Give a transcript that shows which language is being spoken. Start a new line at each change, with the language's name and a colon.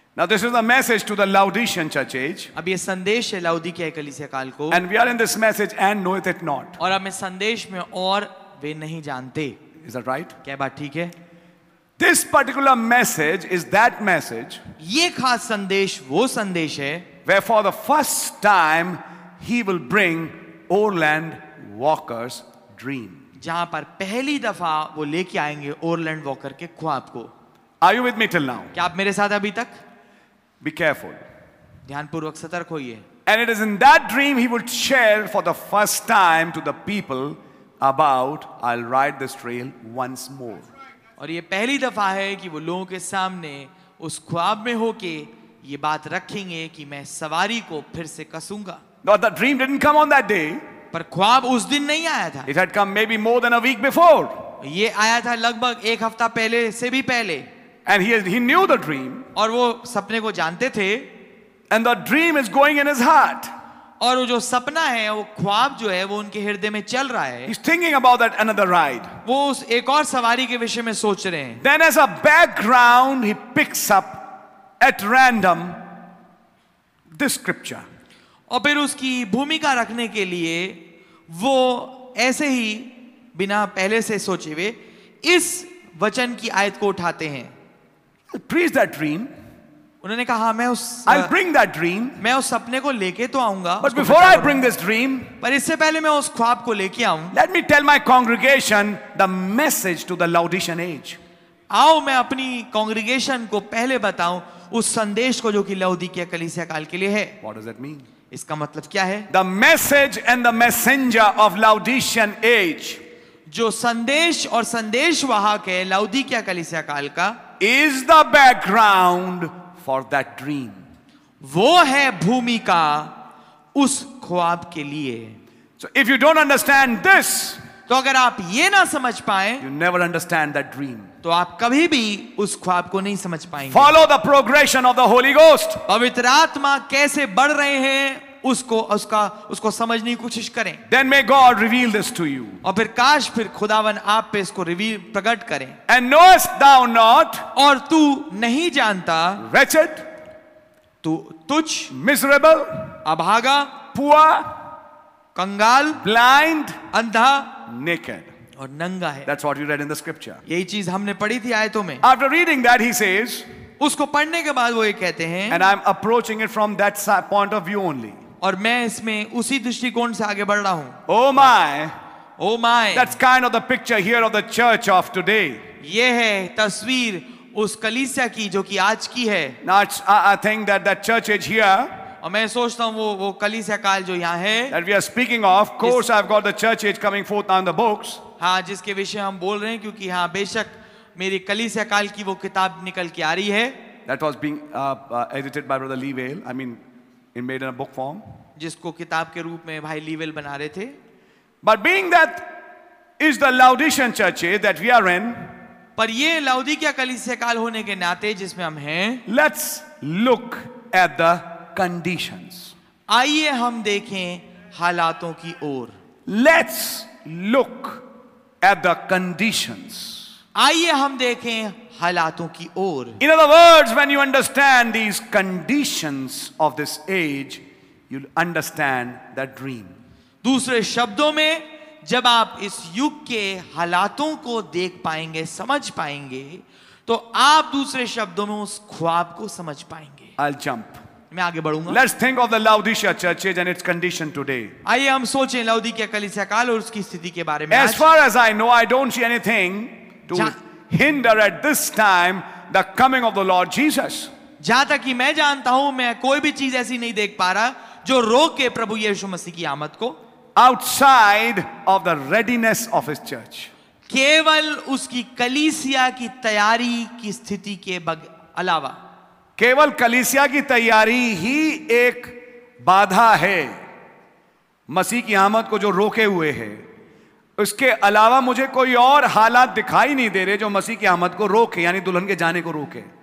English: Now this is the message to the Laodicean church age.
Hindi: अब ये संदेश है लौदीकिया कलीसिया काल को.
English: And we are in this message and knoweth it not.
Hindi: और हम इस संदेश में और वे नहीं जानते.
English: Is that right?
Hindi: क्या बात ठीक है?
English: This particular message is that message.
Hindi: ये खास संदेश वो संदेश है.
English: Where for the first time he will bring Orland Walker's dream.
Hindi: जहाँ पर पहली दफा वो लेके आएंगे Orland Walker के ख्वाब को.
English: Are you with me till now?
Hindi: क्या आप मेरे साथ अभी तक?
English: Be careful.
Hindi: ध्यानपूर्वक सतर्क होइए.
English: And it is in that dream he would share for the first time to the people about I'll ride this trail once more.
Hindi: और ये पहली दफा है कि वो लोगों के सामने उस ख्वाब में होके ये बात रखेंगे कि मैं सवारी को फिर से कसूंगा.
English: Now the dream didn't come on that day.
Hindi: पर ख्वाब उस दिन नहीं आया था.
English: It had come maybe more than a week before.
Hindi: ये आया था लगभग एक हफ्ता पहले से भी पहले.
English: And he knew the dream.
Hindi: और वो सपने को जानते थे.
English: And the dream is going in his heart.
Hindi: और वो जो सपना है, वो ख्वाब जो है, वो उनके हृदय में चल रहा है.
English: He's thinking about that another ride.
Hindi: वो उस एक और सवारी के विषय में सोच रहे हैं.
English: Then as a background, he picks up at random this scripture.
Hindi: और फिर उसकी भूमिका रखने के लिए वो ऐसे ही बिना पहले से सोचे हुए इस वचन की आयत को उठाते हैं.
English: Preach that dream.
Hindi: उन्होंने कहा मैं उस
English: I'll bring that dream.
Hindi: मैं उस सपने को लेके तो आऊंगा.
English: But before I bring this dream,
Hindi: पर इससे पहले मैं उस ख्वाब को लेके आऊं.
English: Let me tell my congregation the message to the Laodicean age.
Hindi: आओ मैं अपनी congregation को पहले बताऊं उस संदेश को जो कि लौदीकिया कलीसिया काल के लिए है.
English: What does that mean?
Hindi: इसका मतलब क्या है?
English: The message and the messenger of Laodicean age.
Hindi: जो संदेश और संदेश वाहक है लौदीकिया कलीसिया काल का.
English: Is the background for that dream.
Hindi: वो है भूमिका उस ख्वाब के लिए.
English: So if you don't understand this,
Hindi: तो अगर आप ये ना समझ पाए,
English: you never understand that dream.
Hindi: तो आप कभी भी उस ख्वाब को नहीं समझ पाएंगे.
English: Follow the progression of the Holy Ghost.
Hindi: पवित्र आत्मा कैसे बढ़ रहे हैं उसको समझने की कोशिश करें.
English: Then may God reveal this to you.
Hindi: और फिर काश फिर खुदावन आप पे इसको रिवील प्रकट करें.
English: And knowest thou not?
Hindi: और तू नहीं जानता.
English: Wretched?
Hindi: तू तुच्छ.
English: Miserable?
Hindi: अभागा.
English: Poor?
Hindi: कंगाल.
English: Blind?
Hindi: अंधा.
English: Naked?
Hindi: और नंगा है.
English: That's what you read in the scripture.
Hindi: यही चीज हमने पढ़ी थी आयतों में.
English: After reading that, he says.
Hindi: उसको पढ़ने के बाद वो ये कहते हैं.
English: And I'm approaching it from that point of view only.
Hindi: और मैं इसमें उसी दृष्टिकोण से आगे बढ़ रहा हूं.
English: Oh my. That's kind of the picture here of the church of today.
Hindi: ये है तस्वीर उस कलीसिया की जो कि आज की है.
English: Now I think that church age here.
Hindi: और मैं सोचता हूं वो कलीसिया काल जो यहाँ है.
English: That we are speaking of course I've got the church age coming forth on the books.
Hindi: हाँ जिसके विषय हम बोल रहे हैं क्योंकि हाँ बेशक मेरी कलीसिया काल की वो किताब निकल के आ रही है.
English: That was being edited by Brother Lee Vail. I mean. It made in a book form.
Hindi: जिसको किताब के रूप में भाई लीवेल बना रहे थे.
English: But being that is the Laodicean church that we are in.
Hindi: पर ये लौदीकिया कलीसिया काल होने के नाते जिसमें हम हैं.
English: Let's look at the conditions.
Hindi: आइए हम देखें हालातों की ओर.
English: Let's look at the conditions.
Hindi: आइए हम देखें हालातों की ओर.
English: In other words, when you understand these conditions of this age, you'll understand that dream.
Hindi: दूसरे शब्दों में जब आप इस युग के हालातों को देख पाएंगे समझ पाएंगे तो आप दूसरे शब्दों में उस ख्वाब को समझ पाएंगे.
English: I'll jump.
Hindi: मैं आगे बढ़ूंगा.
English: Let's think of the Laodicea church age and its condition today.
Hindi: आइए हम सोचें लौदीकिया कलीसिया काल और उसकी स्थिति के बारे में.
English: As far as I know, I don't see anything to hinder at this time the coming of the Lord Jesus.
Hindi: जहां तक कि मैं जानता हूं मैं कोई भी चीज ऐसी नहीं देख पा रहा जो रोके प्रभु यीशु मसीह की आमद को.
English: Outside of the readiness of his church.
Hindi: केवल उसकी कलीसिया की तैयारी की स्थिति के अलावा. केवल कलीसिया की तैयारी ही एक बाधा है मसीह की आमद को जो रोके हुए है. उसके अलावा मुझे कोई और हालात दिखाई नहीं दे रहे जो मसीह की आमद को रोके यानी दुल्हन के जाने को रोके.